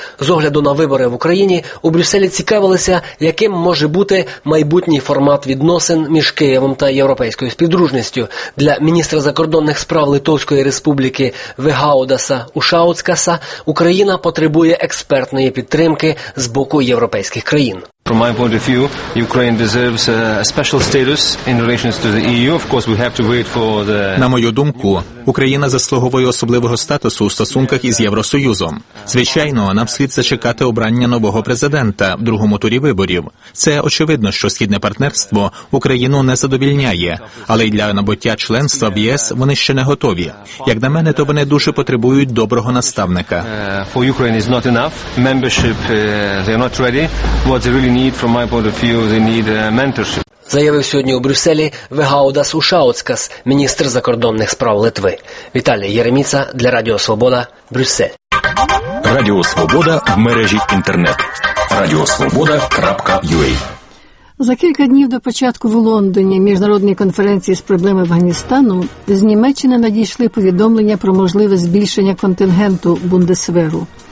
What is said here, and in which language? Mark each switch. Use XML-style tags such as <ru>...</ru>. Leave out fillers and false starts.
<uk>З огляду на вибори в Україні, у Брюсселі цікавилися, яким може бути майбутній формат відносин між Києвом та Європейською співдружністю. Для міністра закордонних справ Литовської Республіки Вигаудаса Ушауцкаса Україна потребує експертної підтримки з боку європейських країн.</uk> <en>From my point of view, Ukraine deserves a special status in relation to the EU. Of course, we have to wait for the...</en> <uk>На мою думку, Україна заслуговує особливого статусу у стосунках із Євросоюзом. Звичайно, нам слід зачекати обрання нового президента в другому турі виборів. Це очевидно, що східне партнерство Україну не задовільняє, але й для набуття членства в ЄС вони ще не готові. Як на мене, то вони дуже потребують доброго наставника.</uk> <en>For Ukraine is not enough. Membership, they are not ready. What they really need, from my point of view, they need mentorship.</en> <uk>Заявив сьогодні у Брюсселі Вигаудас Ушауцкас, міністр закордонних справ Литви. Віталій Єреміця для Радіо Свобода, Брюссель. Радіо Свобода в мережі інтернет. radiosvoboda.ua. За кілька днів до початку в Лондоні міжнародної конференції з проблеми Афганістану з Німеччини надійшли повідомлення про можливе збільшення контингенту Бундесверу.</uk>